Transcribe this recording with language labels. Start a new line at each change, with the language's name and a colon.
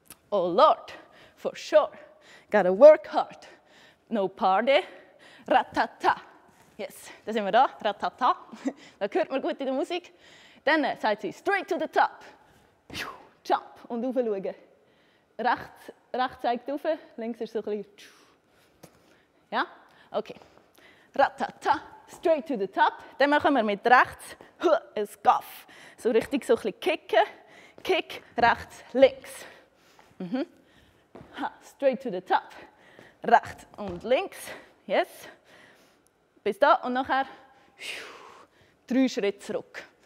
English: Oh Lord, for sure. Gotta work hard. No party. Ratata. Yes,
German: da sind wir da.
English: Ratata.
German: Da hört man gut in der Musik. Dann sagt sie
English: straight to the top.
German: Jump und rauf schauen. Rechts zeigt rauf, links ist so ein bisschen. Ja? Okay.
English: Ratata, straight to the top.
German: Dann machen wir mit rechts ein Scuff. So richtig so ein bisschen kicken.
English: Kick,
German: rechts, links.
English: Ha, straight to the top.
German: Rechts und links.
English: Yes.
German: Bis da und nachher drei Schritte zurück.